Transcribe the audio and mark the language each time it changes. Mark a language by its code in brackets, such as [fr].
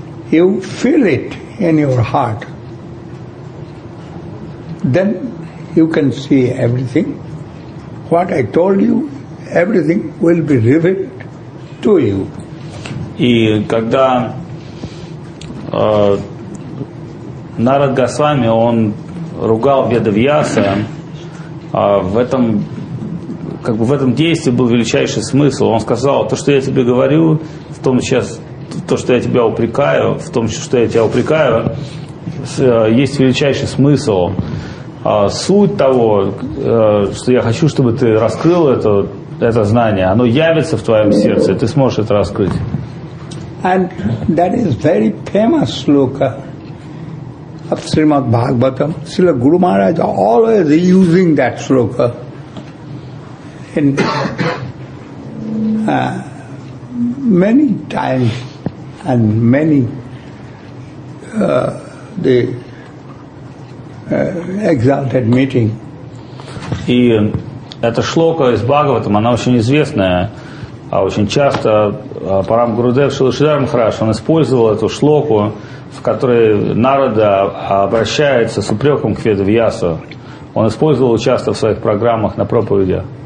[en] You feel it in your heart. Then you can see everything. What I told you, everything will be revealed to you. [ru] И когда Нарад Госвами, он ругал Ведавьяса, в этом действии был величайший смысл. Он сказал, то, что я тебе говорю, в том сейчас, то, что я тебя упрекаю, в том, что я тебя упрекаю, есть величайший смысл. Суть того, что я хочу, чтобы ты раскрыл это знание, оно явится в твоем сердце, ты сможешь это раскрыть. [en] And that is very famous sloka of Srimad Bhagavatam. Srila Guru Maharaj is always using that sloka in many times and many exalted meeting. [ru] И эта шлока из Бхагаватам, она очень известная. А очень часто Парам Гурудев Шрила Шридхар Махарадж, он использовал эту шлоку, в которой Нарада обращается с упреком к Ведавьясу. Он использовал часто в своих программах на проповеди.